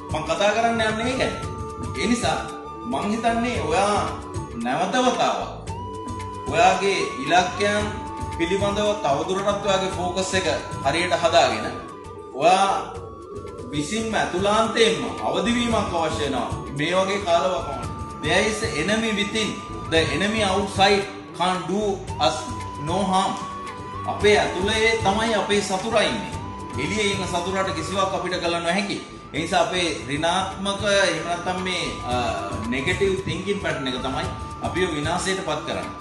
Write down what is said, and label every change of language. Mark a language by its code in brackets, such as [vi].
[si] මම කතා කරන්න යන්නේ ඒක. ඒ නිසා මම හිතන්නේ ඔයා නැවතවතාවක් ඔයාගේ ඉලක්කයන් පිළිබඳව තවදුරටත් ඔයාගේ ફોકસ එක හරියට හදාගෙන ඔයා විසින්ම අතුලාන්තයෙන්ම අවදිවීමක් අවශ්‍ය වෙනවා මේ වගේ කාලවකවාන. [en] There is an enemy within, the enemy outside can't do us no harm. [si] අපේ ඇතුලේ තමයි අපේ සතුරා ඉන්නේ. එළියේ ඉන්න සතුරාට කිසිවක් අපිට කළ නොහැකි. ඒ නිසා අපේ ඍණාත්මක එහෙම නැත්නම් මේ [en] negative thinking pattern [si] එක තමයි අපි විනාශයට පත් කරන්නේ.